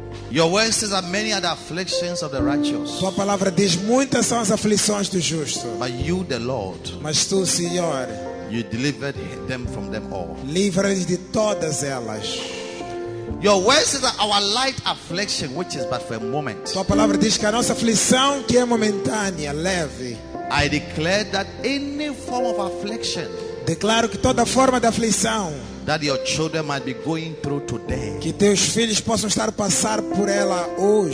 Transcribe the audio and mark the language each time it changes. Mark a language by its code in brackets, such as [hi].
[en] Your words says that many are the afflictions of the righteous. [pt] Tua palavra diz muitas são as aflições do justo. [en] But you, the Lord. [pt] Mas tu, Senhor. [en] You delivered them from them all. [pt] Livra-nos de todas elas. [en] Your word says that our light affliction, which is but for a moment. [pt] Tua palavra diz que a nossa aflição que é momentânea, leve. [en] I declare that any form of affliction. [pt] Declaro que toda forma de aflição. [en] That your children might be going through today. [pt] Que teus filhos possam estar passar por ela hoje.